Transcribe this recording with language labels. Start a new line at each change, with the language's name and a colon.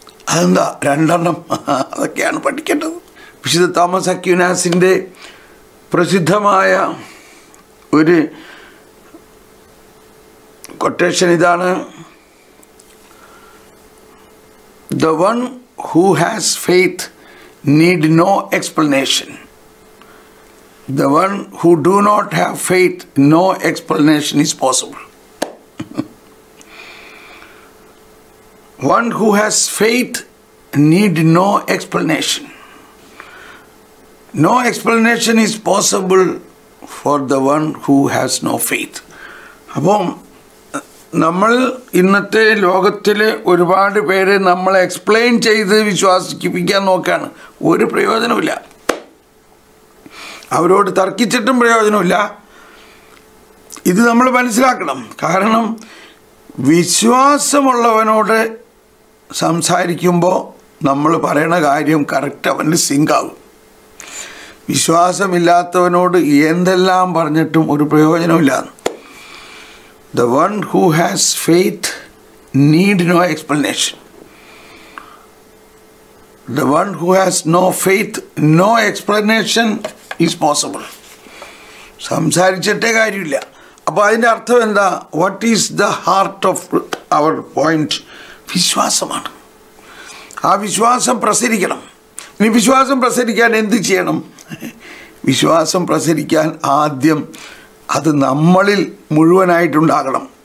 Malayalam: അതെന്താ രണ്ടെണ്ണം? അതൊക്കെയാണ് പഠിക്കേണ്ടത്. വിശുദ്ധ തോമസ് അക്വിനാസിൻ്റെ പ്രസിദ്ധമായ ഒരു കൊട്ടേഷൻ ഇതാണ്,
English: The one who has faith need no explanation, the one who do not have faith no explanation is possible. One who has faith need no explanation. No explanation is possible for the one who has no faith.
Malayalam: അപ്പോൾ നമ്മൾ ഇന്നത്തെ ലോകത്തിൽ ഒരുപാട് പേര് നമ്മളെ explain ചെയ്ത് വിശ്വസിപ്പിക്കാൻ നോക്കുകയാണ്, ഒരു പ്രയോജനമില്ല. അവരോട് തർക്കിച്ചിട്ടും പ്രയോജനമില്ല. ഇത് നമ്മൾ മനസ്സിലാക്കണം. കാരണം വിശ്വാസമുള്ളവനോട് സംസാരിക്കുമ്പോൾ നമ്മൾ പറയുന്ന കാര്യം കറക്റ്റ് അവന് സിങ്ക് ആവും. വിശ്വാസമില്ലാത്തവനോട് എന്തെല്ലാം പറഞ്ഞിട്ടും ഒരു പ്രയോജനമില്ല.
English: The one who has faith need no explanation. The one who has no faith, no explanation is possible.
Malayalam: സംസാരിച്ചിട്ടേ കാര്യമില്ല. അപ്പോൾ അതിൻ്റെ അർത്ഥം എന്താ?
English: What is the heart of our point?
Malayalam: വിശ്വാസമാണ്. ആ വിശ്വാസം പ്രസരിക്കണം. ഇനി വിശ്വാസം പ്രസരിക്കാൻ എന്ത് ചെയ്യണം? വിശ്വാസം പ്രസരിക്കാൻ ആദ്യം അത് നമ്മളിൽ മുഴുവനായിട്ടുണ്ടാകണം.